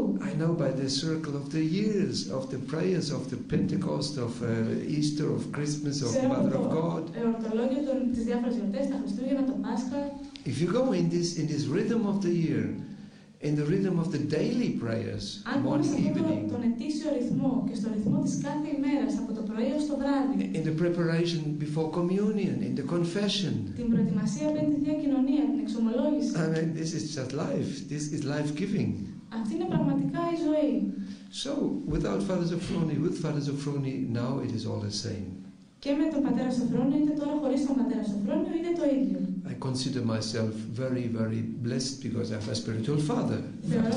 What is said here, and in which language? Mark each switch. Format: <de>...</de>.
<en>I know by the circle of the years, of the prayers, of the Pentecost, of Easter, of Christmas, of Mother of God. If you go in this rhythm of the year, in the rhythm of the daily prayers, morning, evening.</en> <el>Τον ετήσιο ρυθμό και στο ρυθμό της κάθε ημέρας από το πρωί ως το βράδυ.</el> <en>In the preparation before communion, in the confession.</en> <el>Την προετοιμασία πριν τη Θεία Κοινωνία, την εξομολόγηση.</el> <en>I mean, this is just life. This is life-giving.</en> <el>Αυτή είναι πραγματικά η ζωή.</el> <en>So, without Father Zofroni, with Father Zofroni, now it is all the same.</en> <el>Και με τον πατέρα Σοφρόνιο, είτε τώρα χωρίς τον πατέρα Σοφρόνιο, είναι το ίδιο.</el> <en>I consider myself very, very blessed because I have a spiritual father, Father</en>